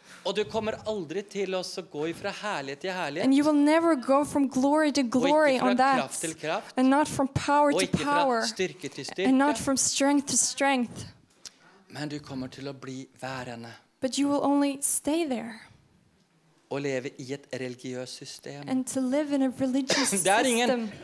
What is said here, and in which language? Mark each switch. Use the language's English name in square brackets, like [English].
[Norwegian] Og du kommer aldri til oss å gå fra herlighet til herlighet. [English] And you will never go from glory to glory on that. [Norwegian] Og ikke fra kraft til kraft. [English] And not from power to power. [Norwegian] Og ikke fra styrke til styrke. [English] And not from strength to strength. [Norwegian] Men du kommer til å bli værende. [English] But you will only stay there. [Norwegian] Og leve i et religiøst system. [English] And to live in a religious system. [Norwegian] Det er ingen [English] system.